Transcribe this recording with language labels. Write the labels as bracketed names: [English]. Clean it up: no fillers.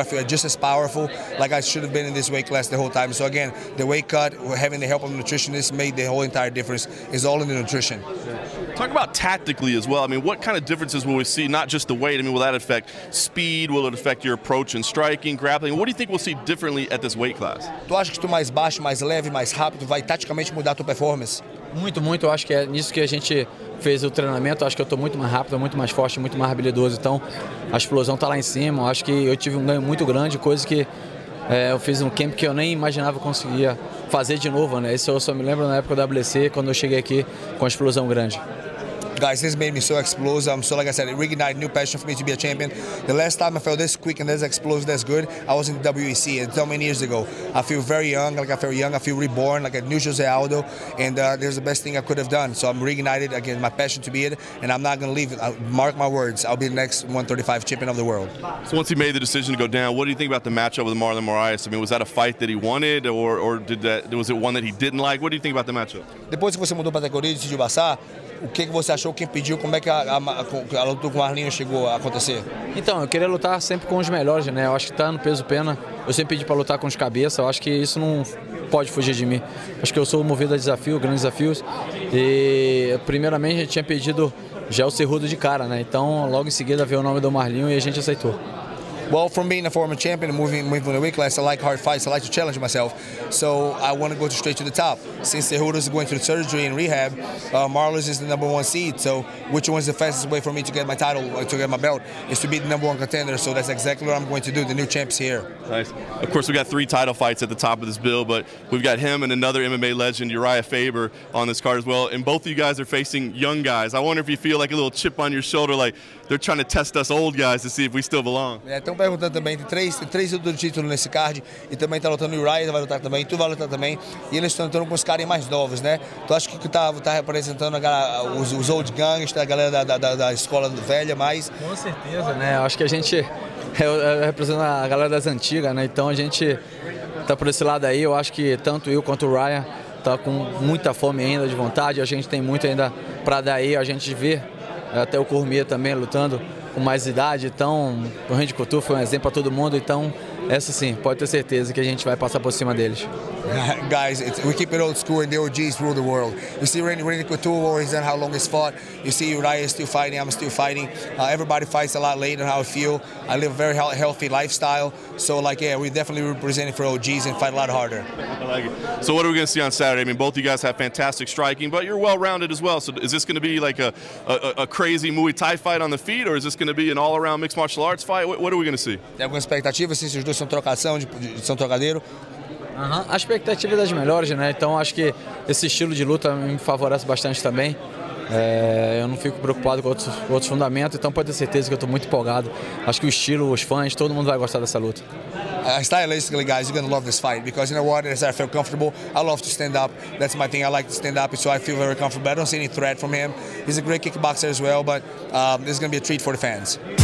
[English] I feel just as powerful, like I should have been in this weight class the whole time. So, again, the weight cut, having the help of a nutritionist made the whole entire difference. It's all in the nutrition. Talk about tactically as well. I mean, what kind of differences will we see? Not just the weight. I mean, will that affect speed? Will it affect your approach in striking, grappling? What do you think we'll see differently at this weight class? [Portuguese] Tu acha que tu mais baixo, mais leve, mais rápido, vai taticamente mudar tua performance? Muito, muito. Eu acho que é nisso que a gente fez o treinamento. Eu acho que eu estou muito mais rápido, muito mais forte, muito mais habilidoso. Então, a explosão está lá em cima. Eu acho que eu tive um ganho muito grande, coisa que eu fiz no camp que eu nem imaginava que conseguia fazer de novo, né? Isso eu só me lembro na época do WC, quando eu cheguei aqui com a explosão grande. [English] Guys, this made me so explosive. So like I said, it reignited new passion for me to be a champion. The last time I felt this quick and this explosive, this good, I was in the WEC so many years ago. I feel very young, like I feel young. I feel reborn, like a new Jose Aldo. And there's the best thing I could have done. So I'm reignited again, my passion to be it. And I'm not going to leave it. Mark my words, I'll be the next 135 champion of the world. So once he made the decision to go down, what do you think about the matchup with Marlon Moraes? I mean, was that a fight that he wanted, or was it one that he didn't like? What do you think about the matchup? [Portuguese] Depois que você mudou para a categoria e decidiu passar, o que você achou, quem pediu, como é que a luta com o Arlinho chegou a acontecer? Então, eu queria lutar sempre com os melhores, né? Eu acho que tá no peso pena. Eu sempre pedi para lutar com os cabeça, eu acho que isso não pode fugir de mim. Acho que eu sou movido a desafio, grandes desafios. E primeiramente a gente tinha pedido já o Cerrudo de cara, né? Então logo em seguida veio o nome do Marlinho e a gente aceitou. [English] Well, from being a former champion and moving in the weight class, I like hard fights, I like to challenge myself. So I want to go straight to the top. Since Cerrudo is going through surgery and rehab, Marlos is the number one seed. So which one is the fastest way for me to get my title, to get my belt, is to be the number one contender. So that's exactly what I'm going to do, the new champs here. Nice. Of course, we've got three title fights at the top of this bill, but we've got him and another MMA legend, Uriah Faber, on this card as well. And both of you guys are facing young guys. I wonder if you feel like a little chip on your shoulder, like they're trying to test us old guys to see if we still belong. [Portuguese] Yeah, estão perguntando também, tem três do título nesse card, e também está lutando o Uriah, vai lutar também, tu vai lutar também, e eles estão lutando com os caras mais novos, né? Tu acha que tá representando os [English] old gangs, [Portuguese] a galera da escola velha, mas... Com certeza, né? Acho que a gente representa a galera das antigas, né? Então a gente está por esse lado aí, eu acho que tanto eu quanto o Ryan tá com muita fome ainda de vontade, a gente tem muito ainda para daí a gente ver, até o Cormier também lutando com mais idade, então o Randy Couture foi um exemplo para todo mundo, então essa sim, pode ter certeza que a gente vai passar por cima deles. [English] Guys, we keep it old school and the OGs rule the world. You see Randy Couture, what he's done, how long he's fought. You see Uriah still fighting, I'm still fighting. Everybody fights a lot later, how I feel. I live a very healthy lifestyle. So like, yeah, we definitely representing for OGs and fight a lot harder. I like it. So what are we going to see on Saturday? I mean, both of you guys have fantastic striking, but you're well-rounded as well. So is this going to be like a crazy Muay Thai fight on the feet, or is this going to be an all-around mixed martial arts fight? What are we going to see? [Portuguese] Tem alguma expectativa, se os dois são trocação, são trocadeiro? Uhum. A expectativa é das melhores, né? Então acho que esse estilo de luta me favorece bastante também. Eu não fico preocupado com outros fundamentos, então pode ter certeza que eu estou muito empolgado. Acho que o estilo, os fãs, todo mundo vai gostar dessa luta. [English] Stylistically, guys, you're going to love this fight because, you know what, as I feel comfortable, I love to stand up. That's my thing. I like to stand up, so I feel very comfortable. I don't see any threat from him. He's a great kickboxer as well, but this is going to be a treat for the fans.